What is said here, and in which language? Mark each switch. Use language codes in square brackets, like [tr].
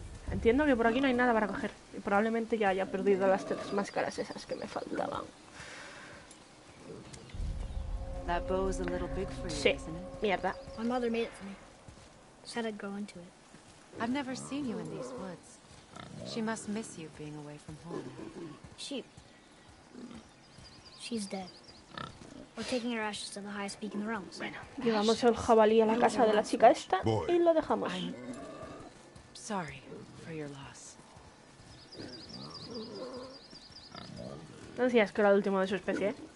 [es] Entiendo que por aquí no hay nada para coger. Y probablemente ya haya perdido las tres máscaras esas que me faltaban. [en] That bow is a little big for you, [es] sí, [en] isn't it? [es] Mierda. [en] My mother made it for me. Said I'd grow into it. I've never seen you in these woods. She must miss you being away from home. She's dead. We're taking her ashes to the highest peak in the realms. [es] Bueno, llevamos el jabalí a la casa de la chica esta y lo dejamos. [en] I'm sorry for your loss. [es] No decías que era el último de su especie, ¿eh?